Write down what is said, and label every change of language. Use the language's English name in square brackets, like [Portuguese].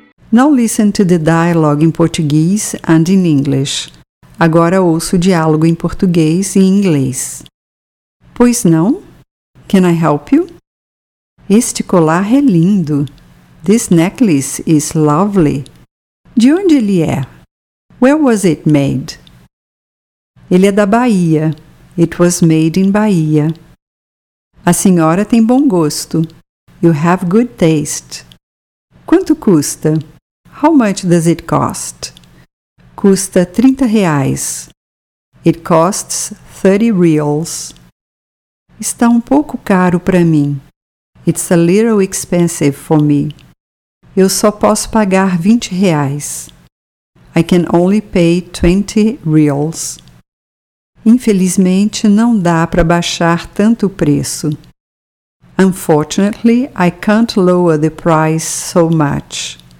[English] Now listen to the dialogue in Portuguese and in English. [Portuguese] Agora ouço o diálogo em português e em inglês. Pois não? [English] Can I help you? [Portuguese] Este colar é lindo. [English] This necklace is lovely. [Portuguese] De onde ele é? [English] Where was it made? [Portuguese] Ele é da Bahia. [English] It was made in Bahia. [Portuguese] A senhora tem bom gosto. [English] You have good taste. [Portuguese] Quanto custa? [English] How much does it cost? [Portuguese] Custa 30 reais. [English] It costs 30 reals. [Portuguese] Está um pouco caro para mim. [English] It's a little expensive for me. [Portuguese] Eu só posso pagar 20 reais. [English] I can only pay 20 reals. [Portuguese] Infelizmente, não dá para baixar tanto o preço. [English] Unfortunately, I can't lower the price so much.